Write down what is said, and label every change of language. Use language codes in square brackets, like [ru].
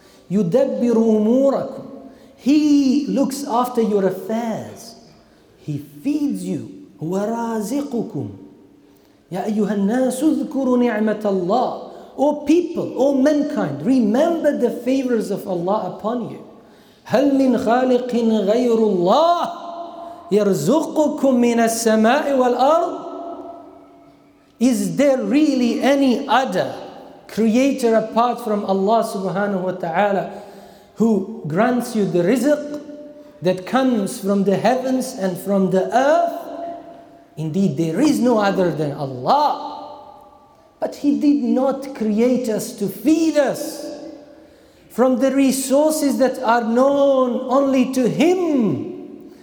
[ar] Yudabbiru umurakum. [en] He looks after your affairs. He feeds you, [ar] wa raziqukum. Ya ayyuhan nasu dhkuru ni'matallah. [en] O people, O mankind, remember the favors of Allah upon you. [ar] هل من خالق غير الله يرزقكم من السماء والأرض? [en] Is there really any other creator apart from Allah subhanahu wa ta'ala who grants you the rizq that comes from the heavens and from the earth? Indeed, there is no other than Allah. But He did not create us to feed us from the resources that are known only to Him.